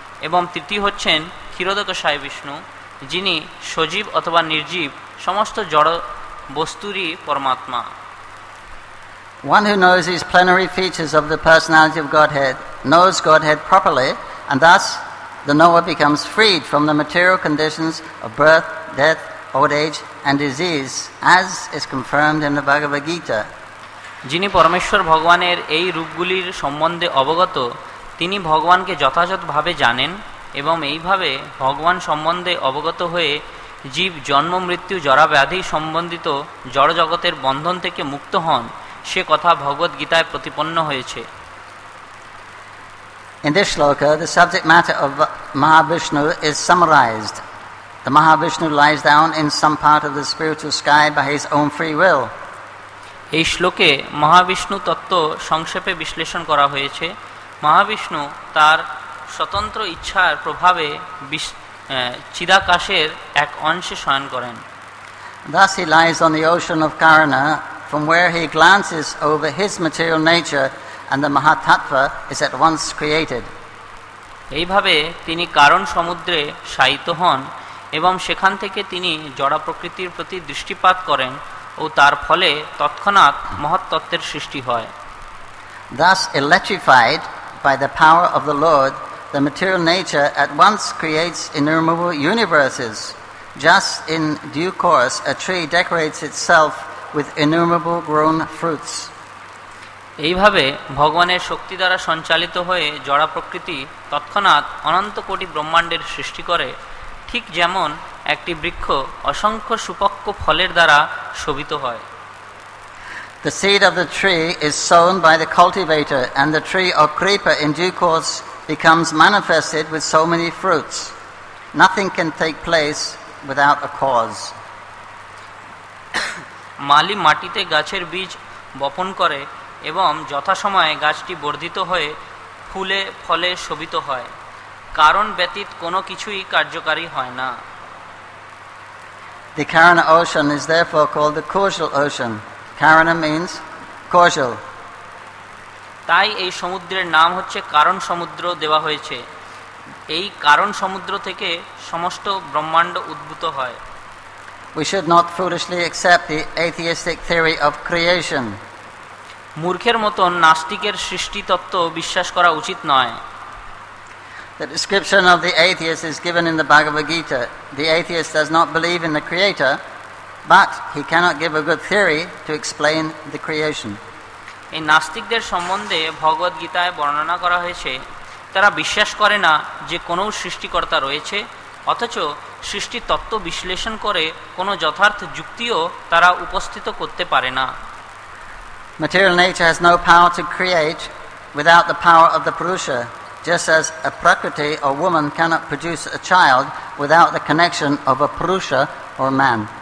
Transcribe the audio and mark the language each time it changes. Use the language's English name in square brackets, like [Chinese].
[Bangla] এবং তৃতীয় হচ্ছেন ক্ষীরোদকশায় বিষ্ণু, যিনি সজীব অথবা নির্জীব সমস্ত জড় বস্তুরই পরমাত্মা। [English] One who knows these plenary features of the personality of Godhead knows Godhead properly, and thus the knower becomes freed from the material conditions of birth, death, old age, and disease, as is confirmed in the Bhagavad Gita. [Bangla] যিনি পরমেশ্বর ভগবানের এই রূপগুলির সম্বন্ধে অবগত, তিনি ভগবানকে যথাযথভাবে জানেন, এবং এইভাবে ভগবান সম্বন্ধে অবগত হয়ে জীব জন্ম মৃত্যু জরা ব্যাধি সম্বন্ধিত জড় জগতের বন্ধন থেকে মুক্ত হন, সে কথা ভগবদ গীতায় প্রতিপন্ন হয়েছে। [English] In this shloka, the subject matter of Mahavishnu is summarized. The Mahavishnu lies down in some part of the spiritual sky by his own free will. [Bangla] এই শ্লোকে মহাবিষ্ণু তত্ত্ব সংক্ষেপে বিশ্লেষণ করা হয়েছে। মহাবিষ্ণু তার স্বতন্ত্র ইচ্ছার প্রভাবে চিদাকাশের এক অংশে শয়ন করেন। [English] Thus he lies on the ocean of Karana, from where he glances over his material nature, and the Mahatattva is at once created. [Bangla] এইভাবে তিনি কারণ সমুদ্রে শায়িত হন, এবং সেখান থেকে তিনি জড়া প্রকৃতির প্রতি দৃষ্টিপাত করেন, ও তার ফলে তৎক্ষণাৎ মহত্তত্ত্বের সৃষ্টি হয়। [English] Thus electrified by the power of the Lord, the material nature at once creates innumerable universes. Just in due course, a tree decorates itself with innumerable grown fruits. [Bangla] এইভাবে ভগবানের শক্তি দ্বারা সঞ্চালিত হয়ে জড়া প্রকৃতি তৎক্ষণাৎ অনন্ত কোটি ব্রহ্মাণ্ডের সৃষ্টি করে, ঠিক যেমন একটি বৃক্ষ অসংখ্য সুপক্ক ফলের দ্বারা শোভিত হয়। [English] The seed of the tree is sown by the cultivator, and the tree or creeper in due course becomes manifested with so many fruits. Nothing can take place without a cause. [Bangla] মালি মাটিতে গাছের বীজ বপন করে, এবং যথাসময়ে গাছটি বর্ধিত হয়ে ফুলে ফলে শোভিত হয়। কারণ ব্যতীত কোনো কিছুই কার্যকারী হয় না। [English] The Karana ocean is therefore called the causal ocean. Karana means causal. [Bangla] তাই এই সমুদ্রের নাম হচ্ছে কারণ সমুদ্র দেওয়া হয়েছে। এই কারণ সমুদ্র থেকে সমস্ত ব্রহ্মাণ্ড উদ্ভূত হয়। [English] We should not foolishly accept the atheistic theory of creation. [Bangla] মূর্খের মতো নাস্তিকের সৃষ্টি তত্ত্ব বিশ্বাস করা উচিত নয়। [English] The description of the atheist is given in the Bhagavad Gita. The atheist does not believe in the creator, but he cannot give a good theory to explain the creation. [Bangla] এই নাস্তিকদের সম্বন্ধে ভগবদ গীতায় বর্ণনা করা হয়েছে, তারা বিশ্বাস করে না যে কোনো সৃষ্টিকর্তা রয়েছে, অথচ সৃষ্টি তত্ত্ব বিশ্লেষণ করে কোনো যথার্থ যুক্তিও তারা উপস্থিত করতে পারে না। [English] Material nature has no power to create without the power of the Purusha. Just as a prakriti or woman cannot produce a child without the connection of a purusha or man.